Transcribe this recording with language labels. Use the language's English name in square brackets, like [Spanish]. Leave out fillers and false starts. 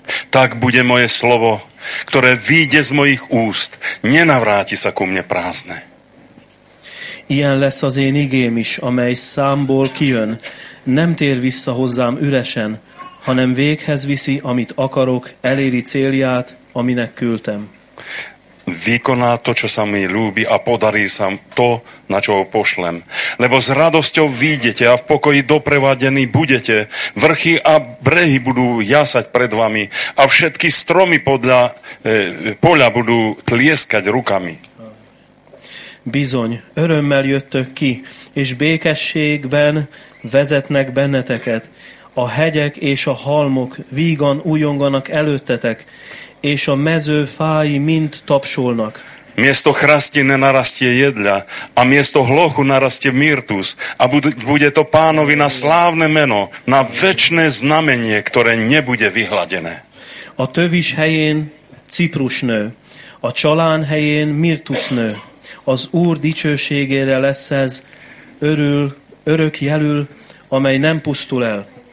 [Slovak] Tak bude moje slovo, ktoré vyjde z mojich úst, nenavráti sa ku mne prázdne. [Hungarian] Ilyen lesz az én igém is, amely számból kijön, nem tér vissza hozzám üresen, hanem véghez viszi, amit akarok, eléri célját, aminek küldtem. [Slovak] Vykoná to, čo sa mi ľúbi a podarí sa to, na čo ho pošlem. Lebo s radosťou vyjdete a v pokoji doprevadení budete. Vrchy a brehy budú jasať pred vami a všetky stromy podľa poľa budú tlieskať rukami. [Hungarian] Bizony, örömmel jöttök ki, és békességben vezetnek benneteket. A hegyek és a halmok vígan ujonganak előttetek, és a mező fái mind tapsolnak. [Slovak] Miesto chrastine narastie jedľa, a miesto hlochu narastie myrtus, a bude to Pánovi na slávne meno, na večné znamenie, ktoré nebude vyhladené. [Hungarian] A tövis helyén ciprus nő, a csalán helyén myrtus nő. Az Úr dicsőségére lesz ez örök jelül, amely nem pusztul el.